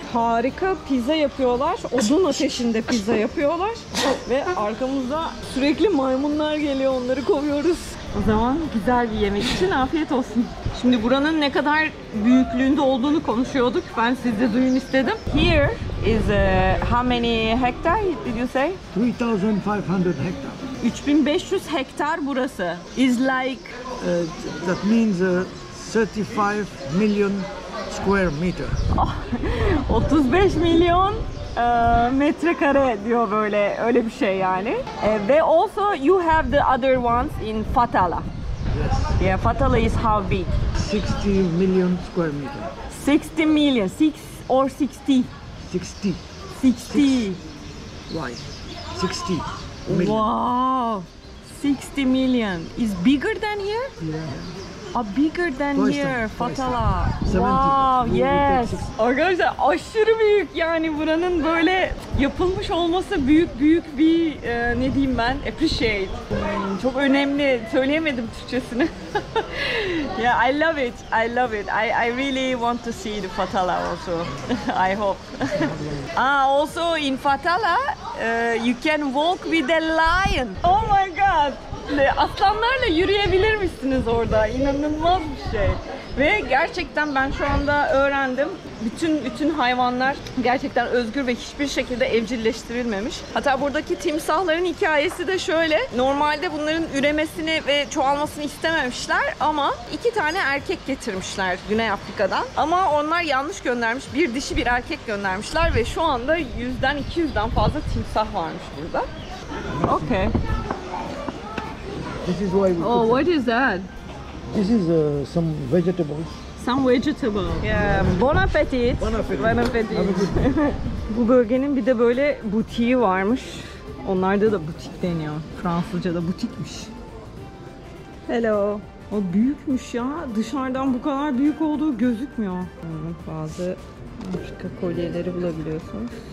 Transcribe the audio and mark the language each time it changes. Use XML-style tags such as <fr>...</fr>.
<tr>Harika pizza yapıyorlar. Odun ateşinde pizza yapıyorlar. Ve arkamızda sürekli maymunlar geliyor, onları kovuyoruz. O zaman güzel bir yemek için afiyet olsun. Şimdi buranın ne kadar büyüklüğünde olduğunu konuşuyorduk. Ben siz de duyun istedim.</tr> <en>Here is how many hectare did you say? 3500 hectare.</en> <tr>3500 hektar burası.</tr> <en>Is like that means 35 million square meter.</en> <tr>35 milyon metrekare diyor böyle, öyle bir şey yani. Ve</tr> <en>also you have the other ones in Fatala. Yes. Yeah, Fatala is how big? 60 million square meter. 60 million, 6 or 60? 60. 60. Why? 60. Million. Wow, 60 million is bigger than here. Yeah. A bigger than twice here, time. Fatala. 70. Wow, yes.</en> <tr>Arkadaşlar aşırı büyük yani buranın böyle yapılmış olması büyük büyük bir ne diyeyim ben?</tr> <en>Appreciate.</en> <tr>Çok önemli. Söyleyemedim Türkçesini.</tr> <en>Yeah, I love it. I love it. I really want to see the Fatala also. I hope. Ah, also in Fatala. You can walk with a lion. Oh my god.</en> <tr>Aslanlarla yürüyebilir misiniz orada? İnanılmaz bir şey. Ve gerçekten ben şu anda öğrendim. Bütün hayvanlar gerçekten özgür ve hiçbir şekilde evcilleştirilmemiş. Hatta buradaki timsahların hikayesi de şöyle. Normalde bunların üremesini ve çoğalmasını istememişler ama iki tane erkek getirmişler Güney Afrika'dan. Ama onlar yanlış göndermiş. Bir dişi bir erkek göndermişler ve şu anda 100'den 200'den fazla timsah varmış burada.</tr> <en>Okay. This is why we Oh, what is that? This is some vegetables. Some vegetable. Yeah.</en> <fr>Bon appetit. Bon appetit. Bon appetit. Bon appetit.</fr> <tr>Bu bölgenin bir de böyle butiği varmış. Onlarda da butik deniyor. Fransızca'da butikmiş.</tr> <en>Hello.</en> <tr>O büyükmüş ya. Dışarıdan bu kadar büyük olduğu gözükmüyor. Bazı Afrika kolyeleri bulabiliyorsunuz.</tr>